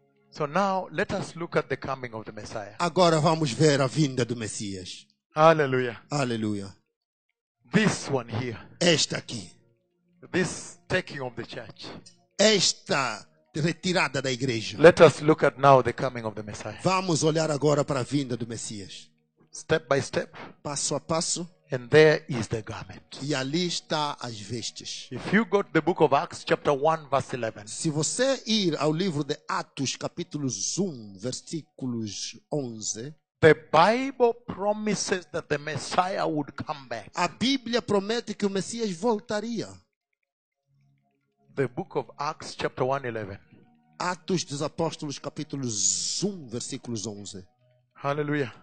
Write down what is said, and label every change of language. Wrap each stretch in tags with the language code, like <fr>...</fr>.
<en>So now, let us look at the coming of the Messiah.</en> <pt>Agora vamos ver a vinda do Messias.</pt> <en>Hallelujah.</en> <pt>Hallelujah.</pt> <en>This one here.</en> <pt>Este aqui.</pt> <en>This taking of the church.</en> <pt>Esta retirada da igreja.</pt> <en>Let us look at now the coming of the Messiah.</en> <pt>Vamos olhar agora para a vinda do Messias.</pt> <en>Step by step.</en> <pt>Passo a passo.</pt> <en>And there is the garment.</en> <pt>E ali está as vestes.</pt> <en>If you go to the book of Acts, chapter 1, verse 11.</en> <pt>Se você ir ao livro de Atos, capítulo 1, versículos 11.</pt> <en>The Bible promises that the Messiah would come back.</en> <pt>A Bíblia promete que o Messias voltaria.</pt> <en>The book of Acts, chapter 1, 11.</en> <pt>Atos dos Apóstolos, capítulo 1, versículos 11.</pt> <en>Hallelujah.</en>